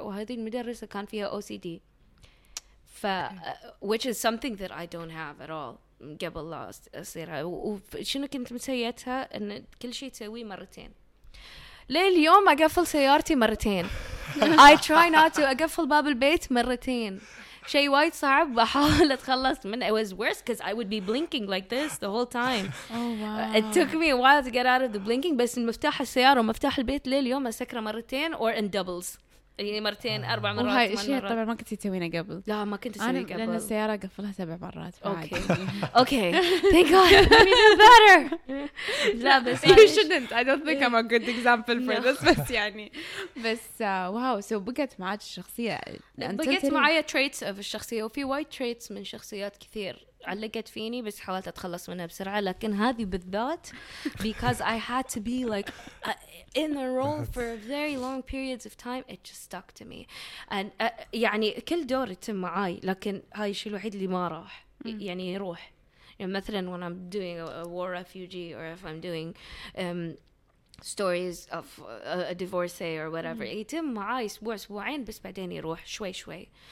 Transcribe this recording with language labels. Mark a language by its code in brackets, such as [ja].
[ar] وهذه المدرسة كان فيها OCD. [en] Which is something that I don't have at all. [ar] قبل لا أصيرها. وشنو كنت مسيتها أن كل شيء تسوي مرتين. ليه اليوم أقفل سيارتي مرتين. [en] I try not to [ar] أقفل باب البيت مرتين. شيء وايد صعب بحاول أتخلص منه. [en] It was worse because I would be blinking like this the whole time. Oh, wow. It took me a while to get out of the blinking. [ar] بس مفتاح السيارة ومفتاح البيت ليه اليوم أسكره مرتين [en] or in doubles. [ar] يعني مرتين أربع مرات. وهاي الشيء طبعا ما كنت تسوينه قبل. لا ما كنت تسوينه قبل لأن السيارة قفلها سبع مرات. [en] Okay thank god I mean it's better. [ar] لا بس [en] you shouldn't. I don't think I'm a good example for this. [ar] بس يعني بس واو سو بقت معاك الشخصية. بقت معايا traits of الشخصية وفي وايد traits من شخصيات كثير علقت فيني بس حاولت أتخلص منها بسرعة. لكن هذه بالذات [en] because I had to be like in the role for very long periods of time it just stuck to me and [ar] يعني كل دور يتم معاي لكن هاي الشيء الوحيد اللي ما راح يعني يروح. يعني مثلا [en] when I'm doing a war refugee or if I'm doing stories of a divorcee or whatever [ar] يتم معاي أسبوع أسبوعين بس بعدين يروح شوي شوي.